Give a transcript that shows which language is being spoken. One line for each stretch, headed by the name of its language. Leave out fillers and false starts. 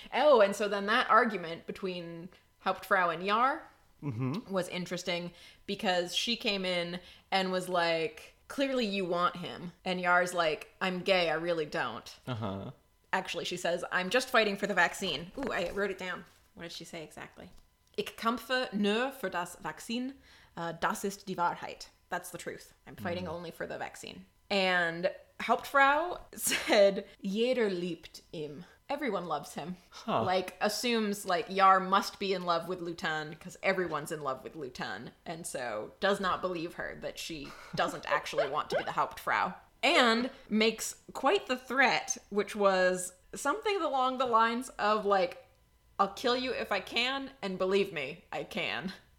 English: Oh, and so then that argument between Hauptfrau and Yar mm-hmm. was interesting, because she came in and was like, clearly you want him. And Yar's like, I'm gay, I really don't. Uh-huh. Actually, she says, I'm just fighting for the vaccine. Ooh, I wrote it down. What did she say exactly?
German: Ich kämpfe nur für das Vaccine, das ist die Wahrheit.
English: That's the truth. I'm fighting only for the vaccine. And Hauptfrau said, Jeder liebt ihm. Everyone loves him. Huh. Like, assumes, like, Yar must be in love with Lutan because everyone's in love with Lutan. And so does not believe her that she doesn't actually want to be the Hauptfrau. And makes quite the threat, which was something along the lines of, like, I'll kill you if I can, and believe me, I can.